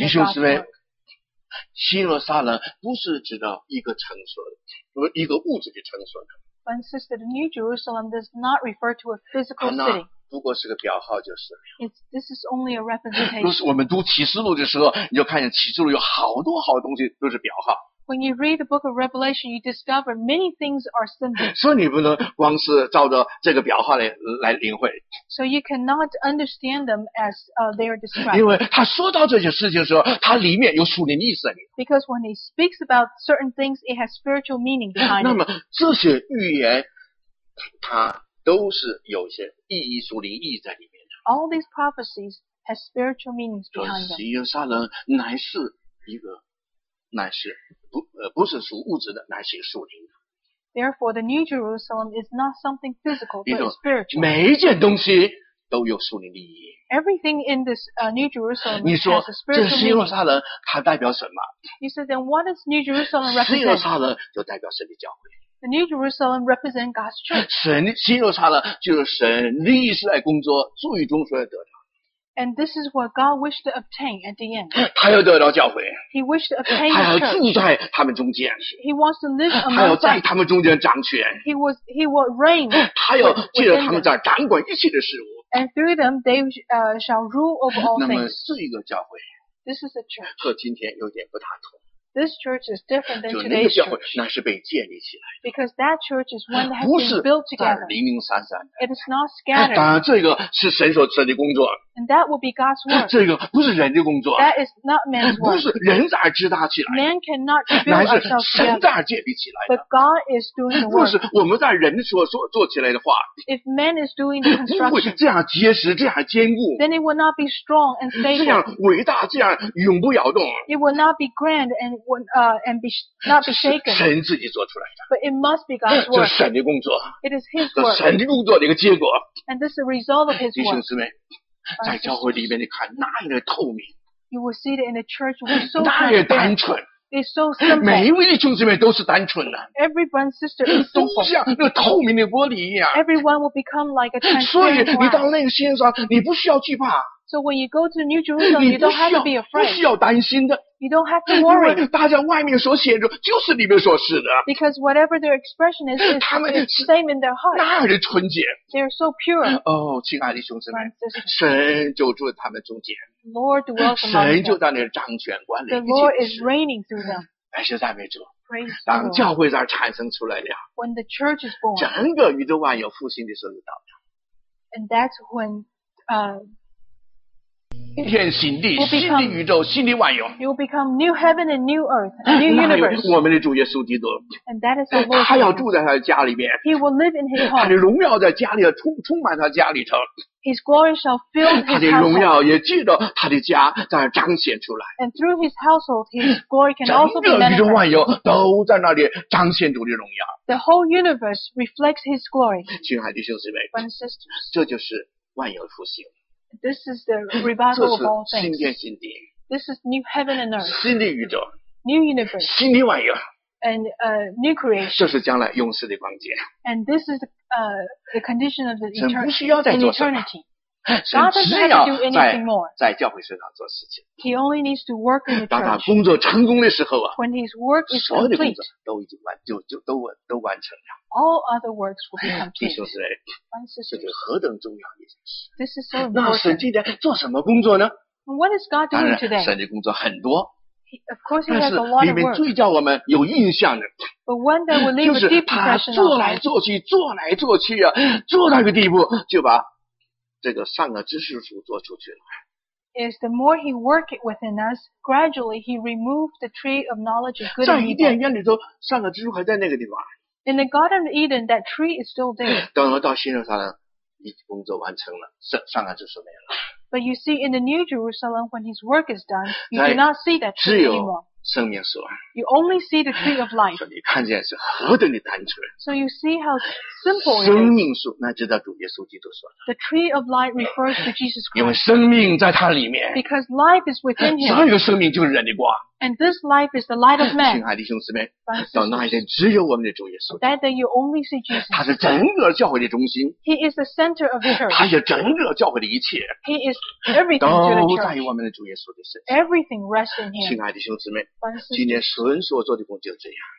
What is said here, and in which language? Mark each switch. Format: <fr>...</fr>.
<zh>work. 弟兄姊妹，新耶路撒冷不是指到一个城所，不是一个物质的城所的。</zh> <en>But since the New Jerusalem does not refer to a physical city.</en> <zh>不过是个表号就是了。</zh> <en>This is only a representation.</en> <zh>就是我们读启示录的时候，你就看见启示录有好多好东西都是表号。</zh> <en>When you read the book of Revelation, you discover many things are sinful.</en> <zh>所以你不能光是照着这个表化来领会。</zh> <en>So you cannot understand them as they are described.</en> <zh>因为他说到这些事情的时候，他里面有属灵意思。</zh> <en>Because when he speaks about certain things, it has spiritual meaning behind it.</en> <zh>那么这些预言，它都是有些意义属灵意义在里面的。</zh> <en>All these prophecies have spiritual meanings behind them.</en> <zh>所以耶路撒冷乃是一个。乃是 不是属物质的，乃是属灵的。</zh> <en>Therefore, the New Jerusalem is not something physical, but spiritual.</en> <zh>每一件东西都有属灵的意义。</zh> <en>Everything in this New Jerusalem has a spiritual meaning.</en> <zh>你说这新耶路撒冷它代表什么？</zh> <en>You said then what does New Jerusalem represent?</en> <zh>新耶路撒冷就代表神的教会。</zh> <en>The New Jerusalem represents God's church.</en> <zh>神新耶路撒冷就是神立誓在工作，注意中所要得的。</zh> <en>And this is what God wished to obtain at the end.</en> <zh>他要得到教会。</zh> <en>He wished to obtain the church.</en> <zh>他要住在他们中间。</zh> <en>He wants to live among them.</en> <zh>他要在他们中间掌权。</zh> <en>He will reign.</en> <zh>他要借着他们在掌管一切的事物。</zh> <en>And through them, they shall rule over all things.</en> <zh>那么是一个教会。</zh> <en>This is a church.</en> <zh>和今天有点不大同。</zh> <en>This church is different than today's church.</en> <zh>就那个教会，那是被建立起来的。</zh> <en>Because that church is one that has been built together.</en> <zh>不是在零零散散。</zh> <en>It is not scattered.</en> <zh>当然，这个是神所赐的工作。</zh> <en>And that will be God's work.</en> <zh>这个不是人的工作。</zh> <en>That is not man's work.</en> <zh>不是人咋支搭起来的。</zh> <en>Man cannot build ourselves together.</en> <zh>乃是神咋建立起来的。</zh> <en>But God is doing the work.</en> <zh>不是我们在人所做起来的话。</zh> <en>If man is doing the construction.</en> <zh>不会这样结实，这样坚固。</zh> <en>Then it will not be strong and stable.</en> <zh>这样伟大，这样永不摇动。</zh> <en>It will not be grand and not be shaken.</en> <zh>神自己做出来的。</zh> <en>But it must be God's work.</en> <zh>这是神的工作。</zh> <en>It is His work.</en> <zh>神的工作的一个结果。</zh> <en>And this is the result of His work.</en> <zh>弟兄姊妹。在教会里面你看那样的透明</zh> <en>you will see it in the church, we're so</en> <zh>那样单纯</zh> <en>it's so simple.</en> <zh>每一位弟兄姊妹都是单纯的</zh> <en>Everyone's sister is so</en> <zh>都像那个透明的玻璃一样</zh> <en>Everyone will become like a transparent glass.</en> <zh>所以你到那个新耶路撒冷你不需要惧怕</zh> <en>So when you go to New Jerusalem, you don't have to be afraid.</en> <zh>不需要担心的</zh> <en>You don't have to worry.</en> <zh>因为大家外面所显出就是里面所示的</zh> <en>Because whatever their expression is, it's the same in their heart.</en> <zh>那样的纯洁</zh> <en>They're so pure.</en> <zh>哦，亲爱的兄弟们，神就住在他们中间。</zh> <en>Lord dwells among them.</en> <zh>神就在那掌权管理。</zh> <en>The Lord is reigning through them.</en> <zh>感谢赞美主。</zh> <en>Praise the Lord.</en> <zh>当教会在产生出来了。</zh> <en>When the church is born.</en> <zh>整个宇宙万有复兴的时候就到了。</zh> <en>And that's when,</en> <zh>天新地，新的宇宙，新的万有。</zh> <en>You will become new heaven and new earth, a new universe.</en> <zh>我们的主耶稣基督。</zh> <en>And that is the Lord.</en> <zh>他要住在他的家里面。</zh> <en>He will live in his home.</en> <zh>他的荣耀在家里充满他家里头。</zh> <en>His glory shall fill his household.</en> <zh>他的荣耀也借着他的家在那彰显出来。</zh> <en>And through his household, his glory can also be manifested.</en> <zh>整个宇宙万有都在那里彰显主的荣耀。</zh> <en>The whole universe reflects his glory.</en> <zh>亲爱的弟兄姊妹，这就是万有复兴。</zh> <en>This is the revival of all things.</en> <zh>新天新地。</zh> <en>This is new heaven and earth.</en> <zh>新的宇宙。</zh> <en>New universe.</en> <zh>新的万有。</zh> <en>And new creation.</en> <zh>这是将来永世的光景。</zh> <en>And this is the condition of the eternity.</en> <zh>神不需要再做什么。</zh> <en>God doesn't have to do anything more.</en> <zh>在教会身上做事情。</zh> <en>He only needs to work in the church.</en> <zh>当他工作成功的时候啊。</zh> <en>When his work is complete.</en> <zh>所有的工作都已经完，都完成了。</zh> <en>All other works will be completed.</en> <zh>弟兄姊妹，这是何等重要的一件事。</zh> <en>This is so important.</en> <zh>那神今天做什么工作呢？</zh> <en>What is God doing today?</en> <zh>当然，神的工作很多。</zh> <en>Of course, he has a lot of work.</en> <zh>里面最叫我们有印象的。</zh> <en>But one that will leave a deep impression.</en> <zh>就是他做来做去，做来做去啊，做到一个地步，就把这个善恶知识树做出去了。</zh> <en>Is the more he work it within us, gradually he removed the tree of knowledge of good and evil.</en> <zh>在伊甸园里头，善恶知识树还在那个地方。</zh> <en>In the Garden of Eden, that tree is still there.</en> <zh>等到新耶路撒冷，工作完成了，善恶知识没了。</zh> <en>But you see, in the New Jerusalem, when his work is done, you do not see that tree anymore.</en> <zh>只有生命树。</zh> <en>You only see the tree of life.</en> <zh>你看见是何等的单纯。</zh> <en>So you see how simple it is.</en> <zh>生命树，那就在主耶稣基督说的。</zh> <en>The tree of life refers to Jesus Christ.</en> <zh>因为生命在他里面。</zh> <en>Because life is within him.</en> <zh>所有生命就是人的光。</zh> <en>And this life is the light of man.</en> <zh>亲爱的兄姊妹，到那一天只有我们的主耶稣。</zh> <en>That day you only see Jesus.</en> <zh>他是整个教会的中心。</zh> <en>He is the center of the church.</en> <zh>他是整个教会的一切。</zh> <en>He is everything to the church.</en> <zh>都在于我们的主耶稣的身上。</zh> <en>Everything rests in him.</en> <zh>亲爱的兄姊妹，今天神所做的工作就这样。</zh>